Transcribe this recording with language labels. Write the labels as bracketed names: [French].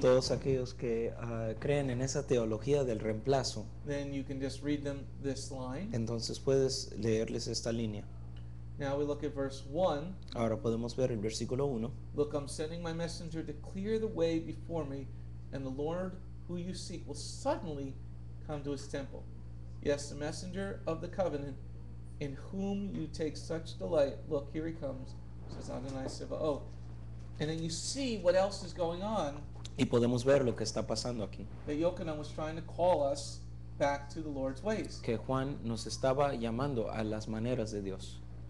[Spanish] todos aquellos que creen en esa teología del reemplazo, [English] then you can just read them this line. [Spanish] Entonces puedes leerles esta línea. [English] Now we look at verse 1. [Spanish] Ahora podemos ver el versículo 1. [English] Look, I'm sending my messenger to clear the way before me, and the Lord who you seek will suddenly come to his temple. Yes, the messenger of the covenant, in whom you take such delight. Look, here he comes, says Adonai Tzevaot. And then you see what else is going on. [Spanish] Y podemos ver lo que está pasando aquí. [English] That Yochanan was trying to call us back to the Lord's ways. [Spanish] Que Juan nos estaba llamando a las maneras de Dios.